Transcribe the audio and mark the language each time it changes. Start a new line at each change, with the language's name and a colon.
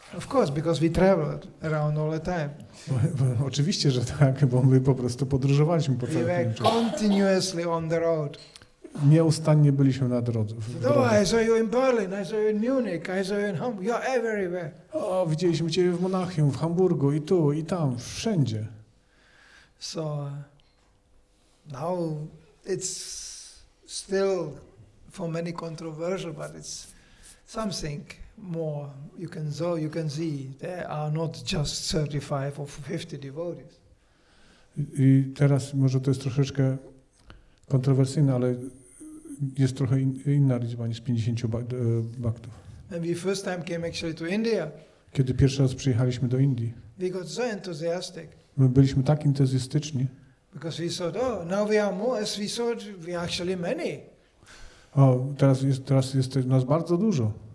English: Of course, because we traveled around all the time.
Polish: Oczywiście, że tak, bo my po prostu podróżowaliśmy po całym Niemczech.
English: We were continuously on the road.
Polish: Nieustannie byliśmy na drodze.
English: I saw you in Berlin, I saw you in Munich, I saw you in Hamburg, you're everywhere.
Polish: O, widzieliśmy cię w Monachium, w Hamburgu, i tu, i tam, wszędzie.
English: So, now it's still for many controversial, but it's something more you can see. There are not just 35 or 50 devotees.
Polish: I teraz może to jest troszeczkę kontrowersyjne, ale jest trochę inna liczba niż 50 baktów.
English: And we first time came actually to India.
Polish: Kiedy pierwszy raz przyjechaliśmy do Indii.
English: We got so enthusiastic.
Polish: My byliśmy tak entuzjastyczni.
English: Because we thought, oh, now we are more, as we thought, we are actually many.
Polish: O, teraz jest nas bardzo dużo.